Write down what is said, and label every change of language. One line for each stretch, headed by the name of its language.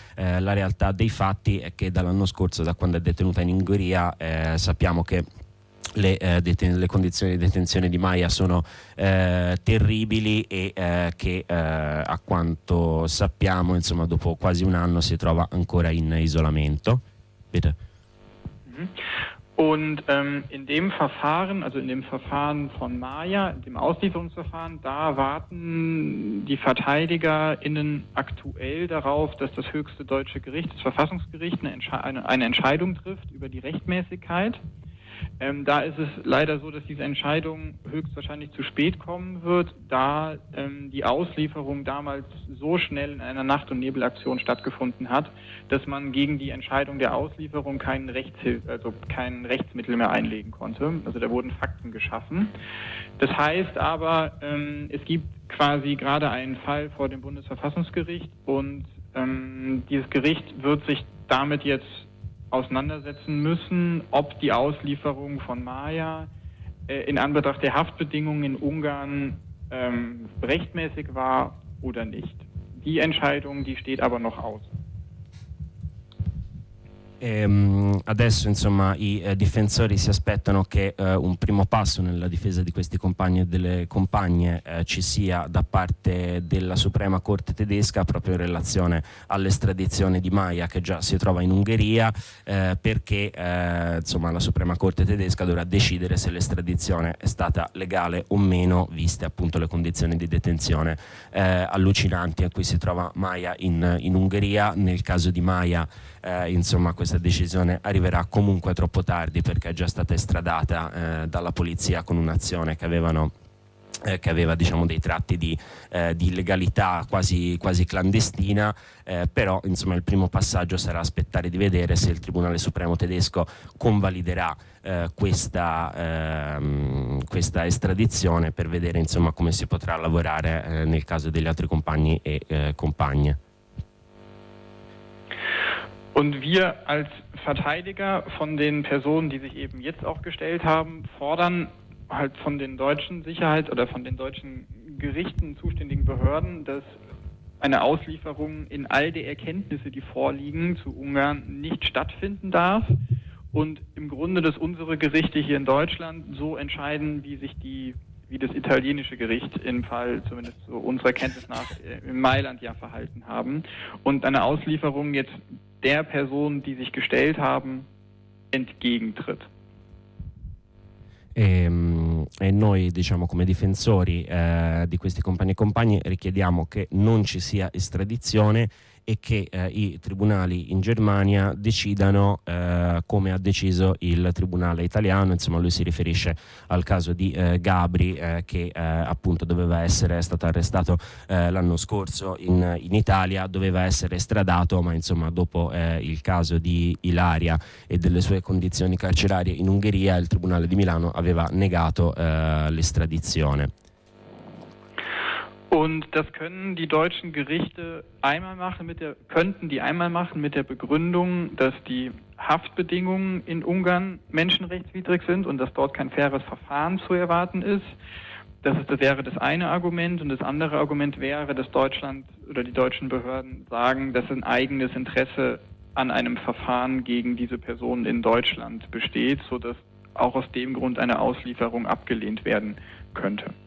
Italian: La realtà dei fatti è che dall'anno scorso, da quando è detenuta in Ungheria, sappiamo che le condizioni di detenzione di Maja sono terribili e che a quanto sappiamo, insomma, dopo quasi un anno si trova ancora in isolamento.
German: Bitte. Und in dem Verfahren, also in dem Verfahren von Maja, in dem Auslieferungsverfahren, da warten die VerteidigerInnen aktuell darauf, dass das höchste deutsche Gericht, das Verfassungsgericht, eine Entscheidung trifft über die Rechtmäßigkeit. Da ist es leider so, dass diese Entscheidung höchstwahrscheinlich zu spät kommen wird, da die Auslieferung damals so schnell in einer Nacht- und Nebelaktion stattgefunden hat, dass man gegen die Entscheidung der Auslieferung kein Rechtsmittel mehr einlegen konnte. Also da wurden Fakten geschaffen. Das heißt aber, es gibt quasi gerade einen Fall vor dem Bundesverfassungsgericht und dieses Gericht wird sich damit jetzt auseinandersetzen müssen, ob die Auslieferung von Maja in Anbetracht der Haftbedingungen in Ungarn rechtmäßig war oder nicht. Die Entscheidung, die steht aber noch aus.
Italian: Adesso insomma i difensori si aspettano che un primo passo nella difesa di questi compagni e delle compagne ci sia da parte della Suprema Corte tedesca, proprio in relazione all'estradizione di Maja, che già si trova in Ungheria, perché insomma la Suprema Corte tedesca dovrà decidere se l'estradizione è stata legale o meno, viste appunto le condizioni di detenzione allucinanti a cui si trova Maja in Ungheria. Nel caso di Maja, insomma, questa decisione arriverà comunque troppo tardi, perché è già stata estradata dalla polizia con un'azione che aveva diciamo dei tratti di illegalità quasi clandestina. Però insomma il primo passaggio sarà aspettare di vedere se il Tribunale Supremo tedesco convaliderà questa estradizione, per vedere insomma come si potrà lavorare nel caso degli altri compagni e compagne.
German: Und wir als Verteidiger von den Personen, die sich eben jetzt auch gestellt haben, fordern halt von den deutschen Sicherheits- oder von den deutschen Gerichten, zuständigen Behörden, dass eine Auslieferung in all der Erkenntnisse, die vorliegen, zu Ungarn nicht stattfinden darf. Und im Grunde, dass unsere Gerichte hier in Deutschland so entscheiden, wie das italienische Gericht im Fall, zumindest so unserer Kenntnis nach, in Mailand ja verhalten haben. Und eine Auslieferung jetzt der Person, die sich gestellt haben, entgegentritt.
Italian: E noi, diciamo, come difensori di questi compagni e compagne, richiediamo che non ci sia estradizione e che i tribunali in Germania decidano come ha deciso il tribunale italiano. Insomma, lui si riferisce al caso di Gabri, che appunto è stato arrestato l'anno scorso in Italia, doveva essere estradato, ma insomma dopo il caso di Ilaria e delle sue condizioni carcerarie in Ungheria, il tribunale di Milano aveva negato l'estradizione.
German: Und das können die deutschen Gerichte einmal machen mit der, könnten die einmal machen mit der Begründung, dass die Haftbedingungen in Ungarn menschenrechtswidrig sind und dass dort kein faires Verfahren zu erwarten ist. Das wäre das eine Argument. Und das andere Argument wäre, dass Deutschland oder die deutschen Behörden sagen, dass ein eigenes Interesse an einem Verfahren gegen diese Personen in Deutschland besteht, sodass auch aus dem Grund eine Auslieferung abgelehnt werden könnte.